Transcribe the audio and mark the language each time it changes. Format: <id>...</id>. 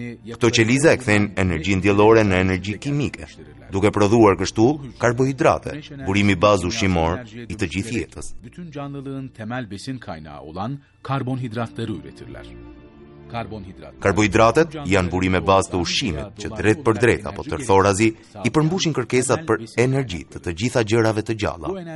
<sq>Këto çeliza e kthejnë energjinë diellore në energji kimike, duke prodhuar kështu karbohidrate, burimi bazë ushqimor i të gjithë jetës.</sq> <tr>Bütün canlılığın temel besin kaynağı olan karbonhidratları üretirler.</tr> <sq>Karbohidratet janë burime bazë të ushqimit që drejt për drejt apo tërthorazi i përmbushin kërkesat për energji të gjitha gjërave të gjalla.</sq>